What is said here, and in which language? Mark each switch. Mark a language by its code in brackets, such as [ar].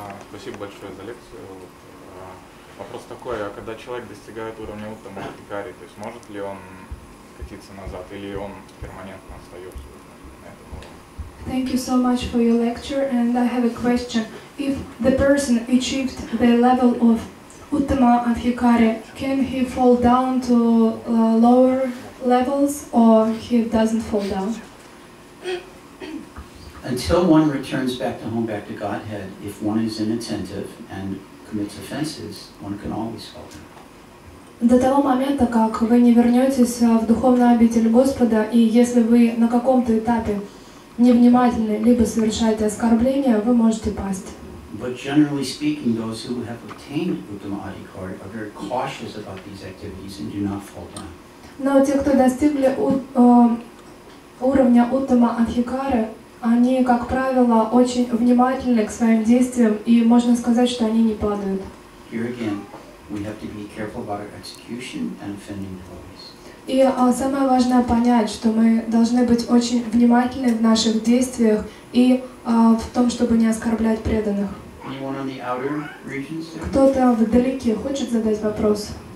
[ru] Спасибо большое за лекцию. Вопрос такой, а когда человек достигает уровня Уттама Адхикари, то есть может ли он катиться назад, или он перманентно остается на этом уровне? [en] Thank you so much for your lecture, and I have a question. If the person achieved the level of Uttama Adhikari, can he fall down to lower levels, or he doesn't fall down? Until one returns back to home, back to Godhead, if one is inattentive and commits offenses, one can always fall down. [ru] До того момента, как вы не вернетесь в духовный обитель Господа, и если вы на каком-то этапе невнимательны, либо совершаете оскорбления, вы можете пасть. [en] But generally speaking, those who have obtained Uttama Adhikari are very cautious about these activities and do not fall down. [ru] Но те, кто достигли уровня Уттама Адхикари, они, как правило, очень внимательны к своим действиям, и можно сказать, что они не падают. [en] Here again, we have to be careful about our execution and offending devotees. [ru] И самое важное понять, что мы должны быть очень внимательны в наших действиях и в том, чтобы не оскорблять преданных. [en] Anyone on the outer regions? [ru] Кто-то вдалеке хочет задать вопрос?